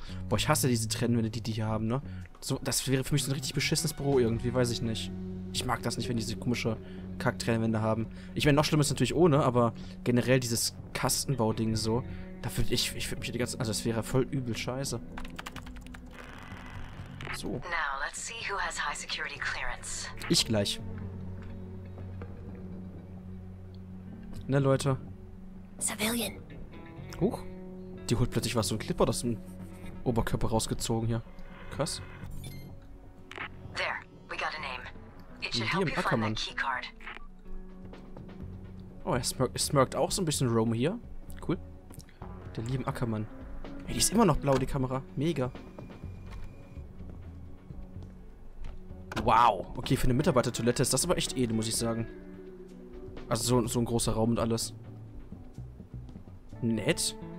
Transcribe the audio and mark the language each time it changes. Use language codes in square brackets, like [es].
[de] Boah, ich hasse diese Trennwände, die hier haben, ne? So, das wäre für mich so ein richtig beschissenes Büro irgendwie, weiß ich nicht. Ich mag das nicht, wenn die diese komische Kack-Trennwände haben. Ich meine, noch schlimmer ist natürlich ohne, aber generell dieses Kastenbau-Ding so. Da würde ich würde mich die ganze... Also, das wäre voll übel scheiße. So. [en] Now, let's see who has high security clearance. [de] Ich gleich. Ne, Leute? [en] Civilian. Huch. [de] Die holt plötzlich was, so ein Clipper aus dem Oberkörper rausgezogen hier. Krass. [en] There, we got a name. It should help you find that key card. [de] Oh, er smirkt auch so ein bisschen Rome hier. Cool. Der liebe Ackermann. Ey, die ist immer noch blau, die Kamera. Mega. Wow. Okay, für eine Mitarbeitertoilette ist das aber echt edel, muss ich sagen. Also so ein großer Raum und alles. Nett.